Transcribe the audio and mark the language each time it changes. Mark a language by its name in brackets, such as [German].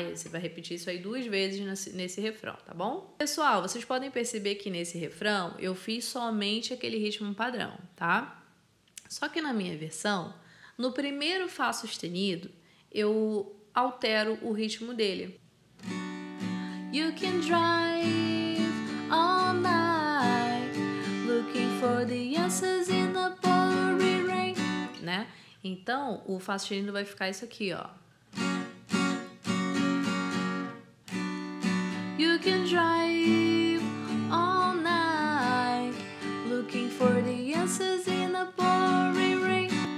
[Portuguese] E você vai repetir isso aí duas vezes nesse refrão, tá bom? Pessoal, vocês podem perceber que nesse refrão eu fiz somente aquele ritmo padrão, tá? Só que na minha versão, no primeiro Fá sustenido, eu altero o ritmo dele. [English] You can drive all night, looking for the answers in the pouring rain. [Portuguese] Né? Então, o Fá sustenido vai ficar isso aqui, ó. [English] You can drive all night, looking for the answers in the pouring rain.